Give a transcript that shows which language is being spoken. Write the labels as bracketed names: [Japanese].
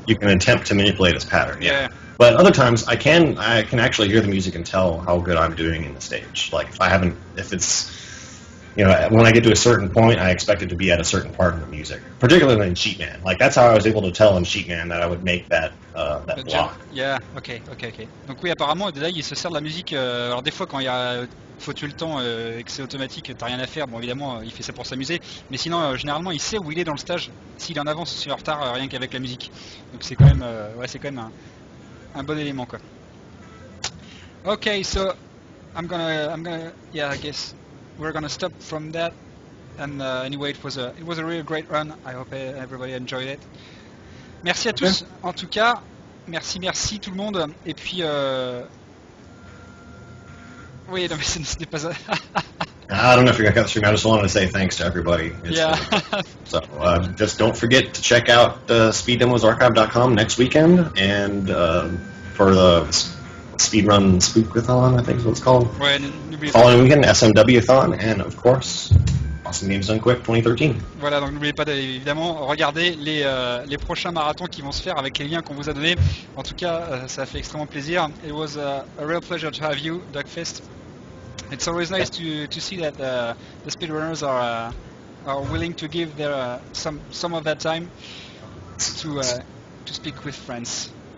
[English] You can attempt to manipulate this pattern, yeah. But other times, I can actually hear the music and tell how good I'm doing in the stage. Like, when I get to a certain point, I expect it to be at a certain part of the music, particularly in Sheet Man. Like, that's how I was able to tell in Sheet Man that I would make that block. Jump. Yeah, okay. [French] Donc oui, apparemment, là, il se sert de la musique. Alors, des fois, quand il y a... faut tuer le temps et que c'est automatique, t'as rien à faire. Bon, évidemment, il fait ça pour s'amuser. Mais sinon, généralement, il sait où il est dans le stage, s'il est en avance ou s'il est en retard, rien qu'avec la musique. Donc c'est quand même, c'est quand même un bon élément, quoi. [English] Okay, so I'm gonna, I guess we're gonna stop from that. And anyway, it was a really great run. I hope everybody enjoyed it. [French] Merci à tous. En tout cas, merci tout le monde. Et puis. Oui, non, mais ce n'est pas ça. [English] I don't know if you're going to cut the stream. I just wanted to say thanks to everybody. So just don't forget to check out speeddemosarchive.com next weekend and for the speedrun spookathon, I think is what it's called. [French] Ouais, [English] following weekend, SMWathon, and of course, Awesome Games Done Quick 2013. [French] Voilà, donc n'oubliez pas évidemment regarder les prochains marathons qui vont se faire avec les liens qu'on vous a donnés. En tout cas, ça fait extrêmement plaisir. [English] It was a real pleasure to have you, Duckfist. It's always nice to see that the speedrunners are willing to give their some of that time to speak with friends.